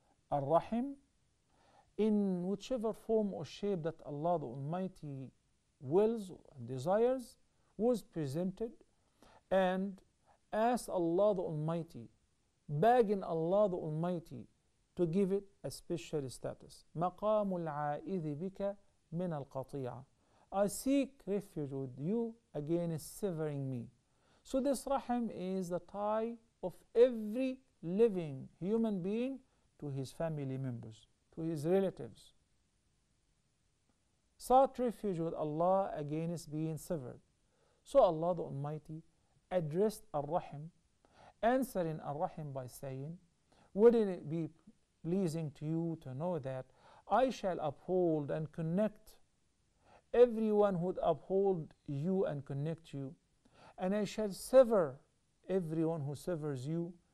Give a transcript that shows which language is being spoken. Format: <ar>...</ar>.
<en>Ar-Rahim, in whichever form or shape that Allah the Almighty wills and desires, was presented and asked Allah the Almighty, begging Allah the Almighty to give it a special status.</en> <ar>مقام العائد بك من القطيعة.</ar> <en>I seek refuge with you against severing me. So this rahim is the tie of every living human being to his family members, to his relatives. Sought refuge with Allah against being severed. So Allah the Almighty addressed Ar-Rahim, answering Ar-Rahim by saying, wouldn't it be pleasing to you to know that I shall uphold and connect everyone who would uphold you and connect you, and I shall sever everyone who severs you.</en>